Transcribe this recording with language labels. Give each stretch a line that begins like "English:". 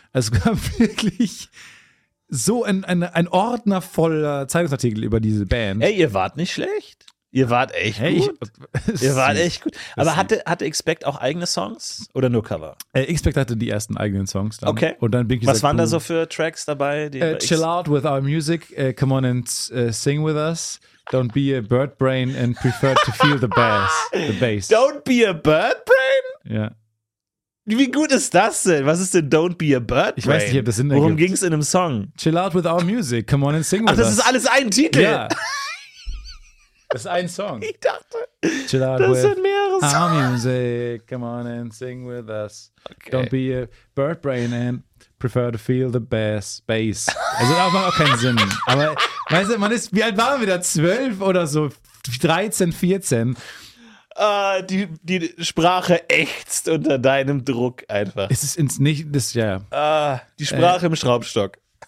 German: Also es gab wirklich so ein Ordner voller Zeitungsartikel über diese Band. Ey, ihr wart nicht schlecht. Ihr wart echt gut. Aber hatte X-Pact auch eigene Songs oder nur Cover? X-Pact hatte die ersten eigenen Songs dann. Okay. Und dann bin ich was gesagt, waren da so für Tracks dabei?
English: Chill out with our music, come on and sing with us. Don't be a bird brain and prefer to feel the bass. Don't be a bird brain?
German: Ja. Wie gut ist das denn? Was ist denn
English: Don't be a bird brain?
German: Ich weiß nicht, ob das Sinn ergibt. Worum ging es in einem Song?
English: Chill out with our music, come on and sing with us.
German: Ach, das ist alles ein Titel? Ja. Das ist ein Song. Ich dachte, das sind mehrere Songs.
English: Our music, come on and sing with us.
German: Okay.
English: Don't be a bird brain and prefer to feel the bass.
German: Also das macht auch keinen Sinn. Aber weißt du, wie alt waren wir da? 12 oder so? 13, 14? Die Sprache ächzt unter deinem Druck einfach. Es ist ins Nichts, ja. Die Sprache im Schraubstock.